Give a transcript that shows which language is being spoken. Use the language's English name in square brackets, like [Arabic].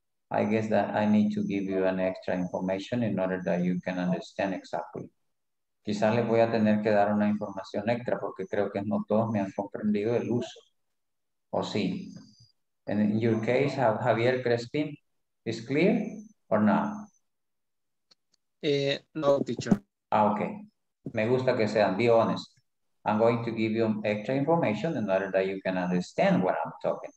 [English] I guess that I need to give you an extra information in order that you can understand exactly. [Spanish] Quizás le voy a tener que dar una información extra porque creo que no todos me han comprendido el uso. Sí. [English] And in your case, Javier Crespin, is clear or not? No, teacher. [Spanish] Okay. Me gusta que sean, [English] be honest. I'm going to give you extra information in order that you can understand what I'm talking.